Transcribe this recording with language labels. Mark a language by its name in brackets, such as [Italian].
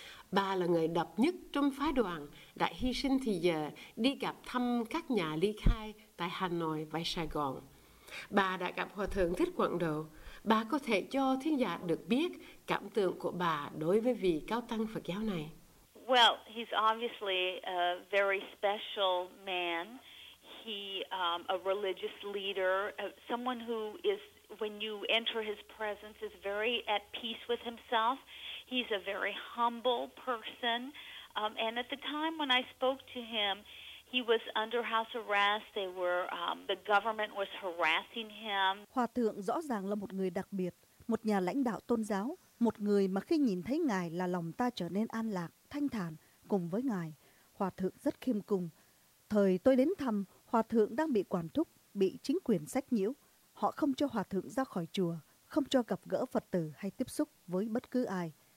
[Vietnamese] Bà là người độc nhất trong phái đoàn đã hy sinh thì giờ đi gặp thăm các nhà ly khai tại Hà Nội và Sài Gòn. Bà đã gặp Hòa Thượng Thích Quảng Độ. Bà có thể cho thính giả được biết cảm tưởng của bà đối với vị cao tăng Phật giáo này. [English] Well, he's obviously a very special man. A religious leader, someone who is, when you enter his presence, is very at peace with himself. He's a very humble person. And at the time when I spoke to him, he was under house arrest. They were, the government was harassing him. [Vietnamese] Hòa Thượng rõ ràng là một người đặc biệt, một nhà lãnh đạo tôn giáo, một người mà khi nhìn thấy Ngài là lòng ta trở nên an lạc, thanh thản cùng với Ngài. Hòa Thượng rất khiêm cung. Thời tôi đến thăm, Hòa Thượng đang bị quản thúc, bị chính quyền sách nhiễu. Họ không cho Hòa Thượng ra khỏi chùa, không cho gặp gỡ Phật tử hay tiếp xúc với bất cứ ai.